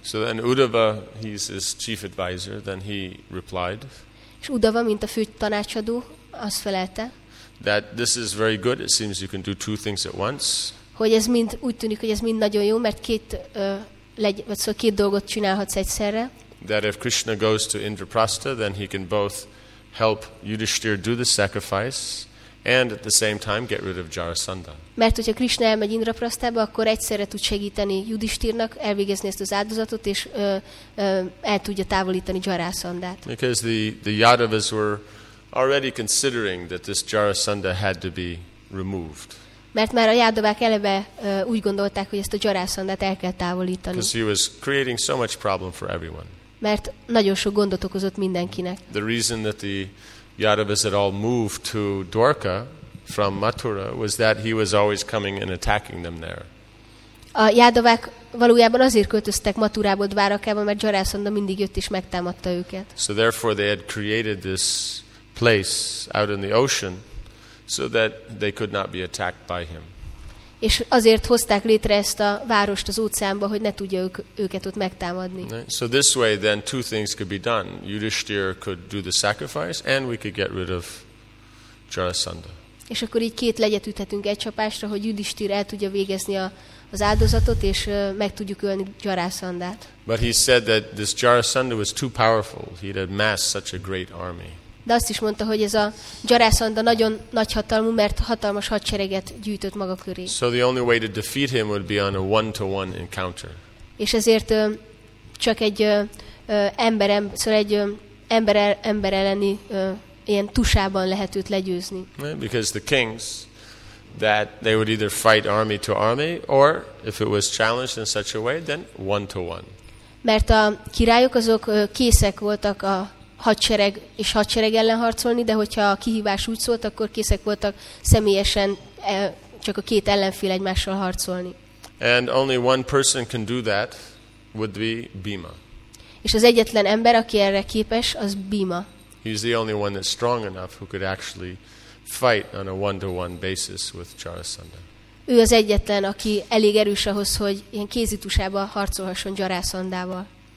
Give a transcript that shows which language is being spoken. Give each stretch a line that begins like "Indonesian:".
English: So then Uddhava, he's his chief advisor, then he replied.
Hungarian: És Uddhava, mint a fő tanácsadó, azt felelte.
English: That this is very good. It seems you can do two things at once.
Hungarian: Hogy ez mind úgy tűnik, hogy ez mind nagyon jó, mert két dolgot csinálhatsz egyszerre.
English: That if Krishna goes to Indraprastha, then he can both help Yudhishthir do the sacrifice and at the same time get rid of Jarasandha.
Hungarian: Mert hogyha Krishna elmegy Indraprasthába, akkor egyszerre tud segíteni Yudhishthirnak elvégezni ezt az áldozatot és el tudja távolítani Jarasandhát.
English: Because the Yadavas were already considering that this Jarasandha had to be removed.
Hungarian: Mert már a Yadavák eleve úgy gondolták, hogy ezt a Jarasandhát el kell távolítani.
English: Because he was creating so much problem for everyone.
Hungarian: Mert nagyon sok gondot okozott mindenkinek.
English: The reason that the Yadavas had all moved to Dwarka from Mathura was that he was always coming and attacking them there.
Hungarian: A Yadavák valójában azért költöztek Mathurából Dwarkába, mert Jarasandha mindig jött és megtámadta őket.
English: So therefore they had created this place out in the ocean so that they could not be attacked by him.
Hungarian: És azért hozták létre ezt a várost az óceánba, hogy ne tudja őket ott megtámadni.
English: So this way then two things could be done. Yudhishthir could do the sacrifice and we could get rid of Jarasandha.
Hungarian: És akkor így két legyet üthetünk egy csapásra, hogy Yudhishthir el tudja végezni az áldozatot és meg tudjuk ölni Jarasandhát.
English: But he said that this Jarasandha was too powerful. He had amassed such a great army.
Hungarian: De azt is mondta, hogy ez a Jarasandha nagyon nagy hatalmú, mert hatalmas hadsereget gyűjtött maga köré.
English: So the only way to defeat him would be on a one-to-one encounter.
Hungarian: És ezért csak egy emberem, szóval egy ember elleni ilyen tusában lehet őt legyőzni.
English: Because the kings, that they would either fight army to army, or if it was challenged in such a way, then one-to-one.
Hungarian: Mert a királyok azok készek voltak a hadsereg és hadsereg ellen harcolni, de hogyha a kihívás úgy szólt, akkor készek voltak személyesen csak a két ellenfél egymással harcolni.
English: And only one person can do that would be Bhima.
Hungarian: És az egyetlen ember, aki erre képes, az Bhima.
English: He's the only one that's strong enough who could actually fight on a one-to-one basis with Jarasandha.
Hungarian: Ő az egyetlen, aki elég erős ahhoz, hogy ilyen kézitusában harcolhasson Jarasandhával.